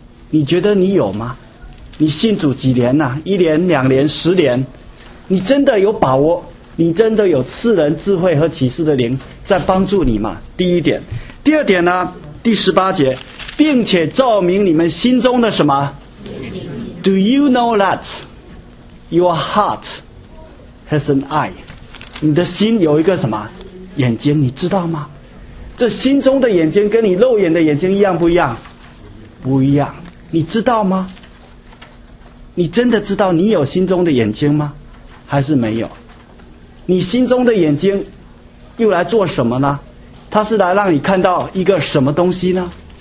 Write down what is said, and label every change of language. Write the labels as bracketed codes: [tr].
[zh] 你觉得你有吗？你信主几年呢、一年、两年、十年，你真的有把握？你真的有赐人智慧和启示的灵在帮助你吗？第一点。第二点呢，第十八节，并且照明你们心中的什么？ [en] Do you know that your heart has an eye? [zh] 你的心有一个什么眼睛，你知道吗？这心中的眼睛跟你肉眼的眼睛一样不一样？不一样。你知道吗？你真的知道你有心中的眼睛吗？还是没有？你心中的眼睛又来做什么呢？它是来让你看到一个什么东西呢？